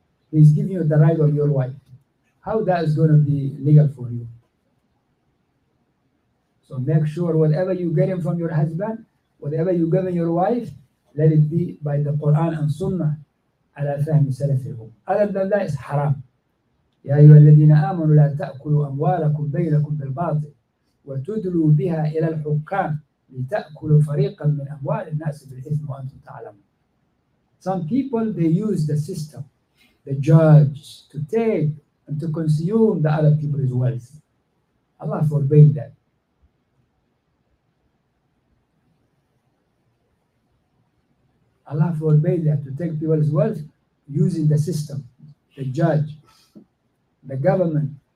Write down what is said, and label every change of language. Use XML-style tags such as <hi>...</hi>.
<en>He's giving you the right of your wife. How that is going to be legal for you? So make sure whatever you get him from your husband, whatever you give your wife, let it be by the Quran and Sunnah.</en> <ar>على فهم سلفهم.</ar> <en>Other than that, it's haram.</en> <ar>يا أيها الذين آمنوا لا تأكلوا أموالكم بينكم بالباطل وتدلوا بها إلى الحكام لتأكلوا فريقا من أموال الناس بالإثم وأنتم تعلمون.</ar> <en>Some people, they use the system, the judge, to take and to consume the other people's wealth. Allah forbade that. Allah forbade that, to take people's wealth using the system, the judge, the government.</en>